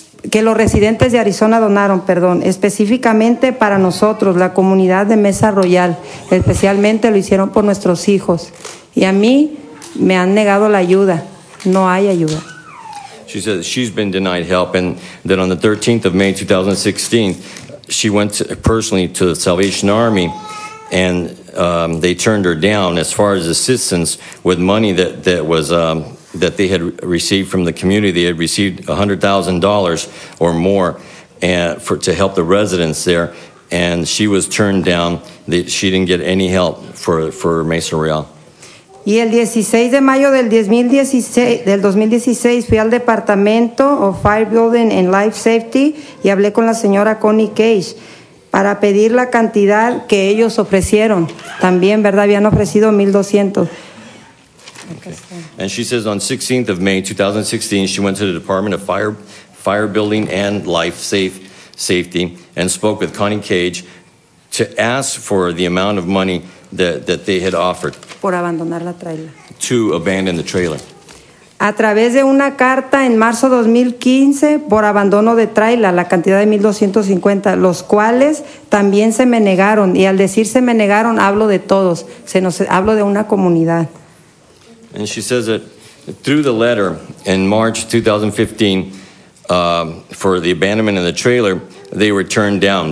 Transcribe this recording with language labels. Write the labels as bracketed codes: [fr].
[es] que los residentes de Arizona donaron, perdón, específicamente para nosotros, la comunidad de Mesa Royal, especialmente lo hicieron por nuestros hijos. Y a mí me han negado la ayuda. No hay ayuda. [en] She says she's been denied help, and that on the 13th of May 2016, she went personally to the Salvation Army, and they turned her down as far as assistance with money that they had received from the community. They had received $100,000 or more to help the residents there, and she was turned down. She didn't get any help for Mesa Royal. [es] Y el 16 de mayo del 2016 fui al departamento of Fire Building and Life Safety y hablé con la señora Connie Cage para pedir la cantidad que ellos ofrecieron. También, ¿verdad? Habían ofrecido 1,200. [en] Okay. And she says on 16th of May 2016, she went to the Department of Fire Building and Life Safety and spoke with Connie Cage to ask for the amount of money that they had offered. [es] Por abandonar la trailer. [en] To abandon the trailer. [es] A través de una carta en marzo 2015 por abandono de trailer, la cantidad de 1,250, los cuales también se me negaron. Y al decir se me negaron, hablo de todos. Hablo de una comunidad. [en] And she says that through the letter in March 2015 for the abandonment of the trailer, they were turned down.